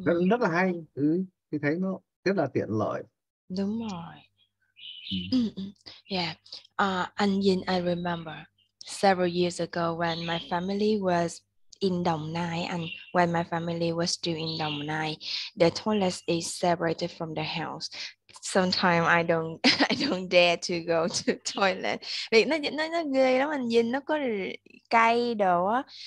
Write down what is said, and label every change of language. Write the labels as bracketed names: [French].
[Vietnamese] Rất là hay. Thì thấy nó rất là tiện lợi. Đúng rồi. [English] Anh Vinh, I remember several years ago when my family was in Đồng Nai, and when my family was still in Đồng Nai, the toilet is separated from the house. Sometimes I don't dare to go to toilet. [Vietnamese] Vì nó ghê lắm anh Vinh, nó có cây đồ á.